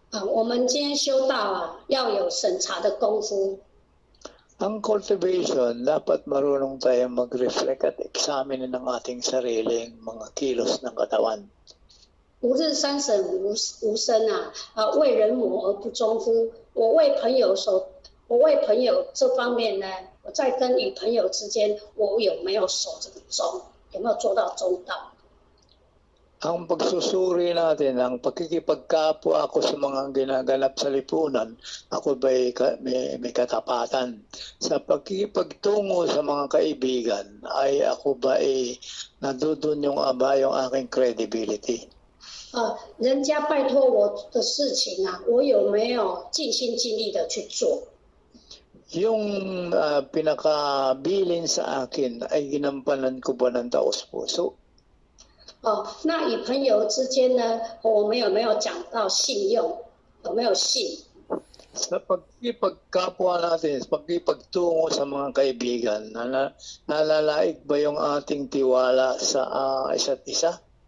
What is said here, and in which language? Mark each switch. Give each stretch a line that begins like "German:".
Chinese: 我们今天修道啊，要有审查的功夫。
Filipino: Ang cultivation, dapat marunong tayo mag-reflect at examine ng ating sariling mga kilos ng katawan.
Chinese: 无日三省吾身啊，为人母而不忠乎？我为朋友这方面呢，我在跟与朋友之间，我有没有守这个忠？有没有做到中道？
Filipino: ang pagsusuri natin, ang pagkikipagkapwa ako sa mga ginaganap sa lipunan, ako ba'y may katapatan? Sa pagkikipagtungo sa mga kaibigan, ay ako ba'y nadudun yung aba yung aking credibility?
Chinese: 人家拜托我的事情啊，我有没有尽心尽力的去做？
Filipino: Yung pinakabilin sa akin ay ginampanan ko ba ng taos puso?
Chinese: Oh, 那与朋友之间呢，我们有没有讲到信用，有没有信？
Filipino: Sa pagkipagkapwa natin, sa pagkipagtungo sa mga kaibigan, nalalaig ba yung ating tiwala sa isa't isa?